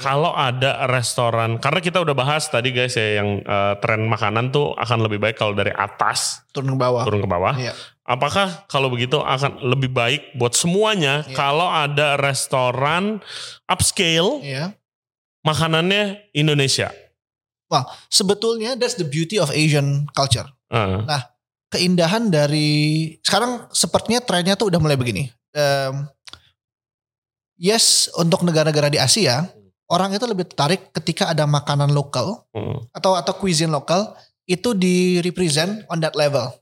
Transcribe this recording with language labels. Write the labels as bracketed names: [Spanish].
[Indonesian] Kalau ada restoran, karena kita udah bahas tadi guys ya, yang tren makanan tuh akan lebih baik kalau dari atas turun ke bawah. Turun ke bawah. [English] Yeah. [Indonesian] Apakah kalau begitu akan lebih baik buat semuanya, yeah, kalau ada restoran upscale, [English] yeah, [Indonesian] makanannya Indonesia? Wah, sebetulnya [English] that's the beauty of Asian culture. [Indonesian] Nah, keindahan dari sekarang sepertinya trennya tuh udah mulai begini. Yes, untuk negara-negara di Asia, orang itu lebih tertarik ketika ada makanan lokal atau cuisine lokal itu di [English] represent on that level.